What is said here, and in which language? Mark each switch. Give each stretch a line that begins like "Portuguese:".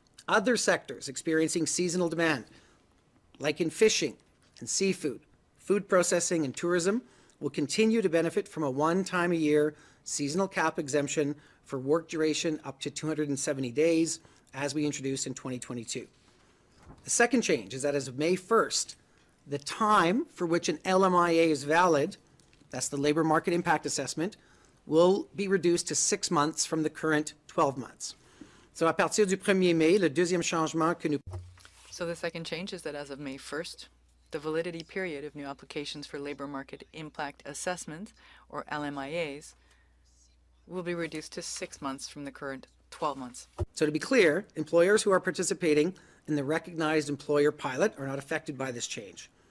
English: Other sectors experiencing seasonal demand, like in fishing and seafood, food processing and tourism, will continue to benefit from a one-time-a-year seasonal CAP exemption for work duration up to 270 days, as we introduced in 2022. The second change is that as of May 1st, the time for which an LMIA is valid, that's the labor market impact assessment, will be reduced to 6 months from the current 12 months.
French: So à partir du 1er mai, le deuxième changement que nous...
English: So the second change is that as of May 1st, the validity period of new applications for labor market impact assessments, or LMIAs, will be reduced to 6 months from the current 12 months. So to be clear, employers who are participating in the recognized employer pilot are not affected by this change.